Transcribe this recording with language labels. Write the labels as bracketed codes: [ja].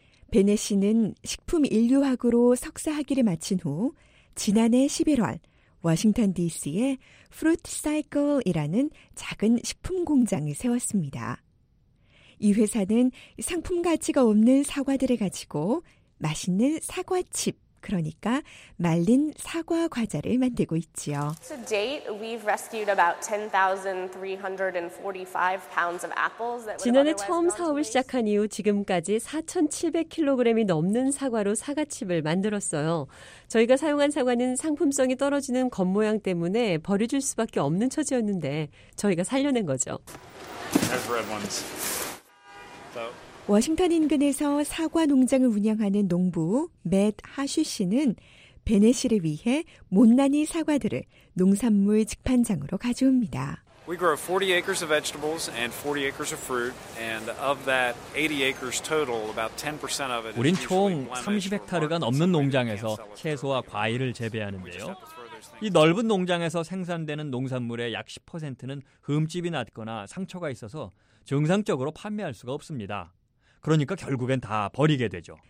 [ko] 베네시는 식품인류학으로 석사학위를 마친 후 지난해 11월 워싱턴 DC에 Fruit Cycle이라는 작은 식품공장을 세웠습니다. 이 회사는 상품 가치가 없는 사과들을 가지고 맛있는 사과칩, 그러니까 말린 사과 과자를 만들고 있지요. [en] To date, we've rescued about 10,345 pounds of apples. [ko] 지난해 처음 사업을 시작한 이후 지금까지 4,700kg이 넘는 사과로 사과칩을 만들었어요. 저희가 사용한 사과는 상품성이 떨어지는 겉모양 때문에 버려질 수밖에 없는 처지였는데 저희가 살려낸 거죠. 워싱턴 인근에서 사과 농장을 운영하는 농부 맷 하쉬 씨는 베네시를 위해 못난이 사과들을 농산물 직판장으로 가져옵니다. [en] We grow 40 acres of vegetables and 40 acres of fruit, and of that 80 acres total, about 10% of it. [ko] 우린 총 30헥타르가 넘는 농장에서 채소와 과일을 재배하는데요. 이 넓은 농장에서 생산되는 농산물의 약 10%는 흠집이 났거나 상처가 있어서 정상적으로 판매할 수가 없습니다. 그러니까 결국엔 다 버리게 되죠.